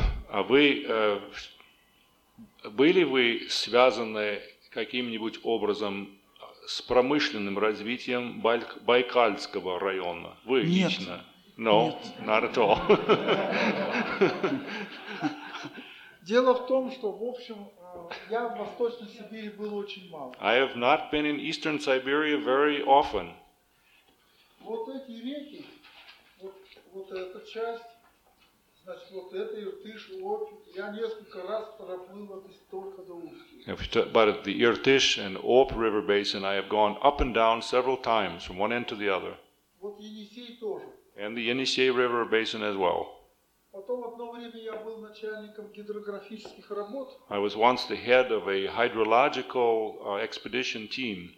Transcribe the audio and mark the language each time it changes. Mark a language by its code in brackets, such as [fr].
[ru] А вы были вы связаны каким-нибудь образом с промышленным развитием Байкальского района? Вы лично? [en] No, not at all. [ru] Дело в том, что, в общем, я в Восточной Сибири был очень мало. [en] I have not been in Eastern Siberia very often. [ru] Вот эти реки, вот эта часть, значит, вот это Иртыш, Опь, я несколько раз проплыл только до Устья. [en] But the Irtysh and Ob River Basin, I have gone up and down several times from one end to the other. [ru] Вот Енисей тоже. [en] And the Yenisei River Basin as well. [ru] Потом одно время я был начальником гидрографических работ. [en] I was once the head of a hydrological expedition team.